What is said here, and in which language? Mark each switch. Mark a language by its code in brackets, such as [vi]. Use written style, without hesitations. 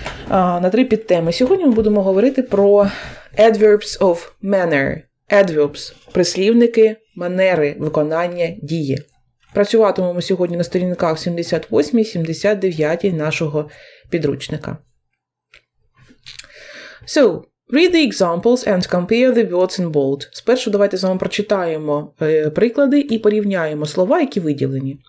[uk] На три підтеми. Сьогодні ми будемо говорити про adverbs of manner. Adverbs – прислівники, манери, виконання, дії. Працюватимемо сьогодні на сторінках 78-79 нашого підручника. [en] So, read the examples and compare the words in bold. [uk] Спершу давайте з вами прочитаємо приклади і порівняємо слова, які виділені.